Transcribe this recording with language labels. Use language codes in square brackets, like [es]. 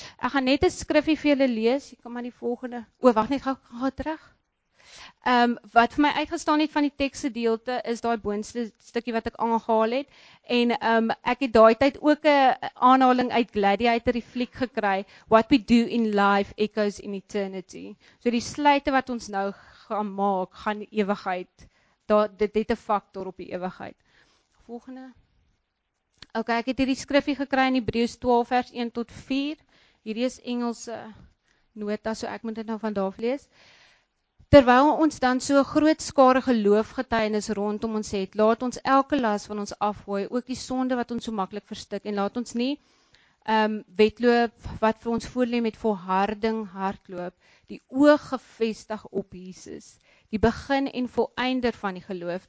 [af] Ek gaan net 'n skrifgie vir julle lees. Jy kan maar die volgende. Wag net, gaan terug. Wat vir my uitgestaan het van die teksgedeelte is daai boonste stukkie wat ek aangehaal het. En ek het daai tyd ook 'n aanhaling uit Gladiator die fliek gekry. [en] What we do in life echoes in eternity. [af] So die sluite wat ons nou gaan maak, gaan ewigheid. Dit het 'n faktor op die ewigheid. Volgende. Okay, ek het hierdie skrifgie gekry in Hebreërs 12 vers 1 tot 4. Hierdie is Engelse nota, so ek moet dit nou van daar af lees. Terwyl ons dan so groot skare geloofgetuienis rondom ons het, laat ons elke las van ons afgooi, ook die sonde wat ons so maklik verstik, en laat ons nie wedloop wat vir ons voor lê met volharding hardloop, die oog gevestig op Jesus, die begin en voleinder van die geloof.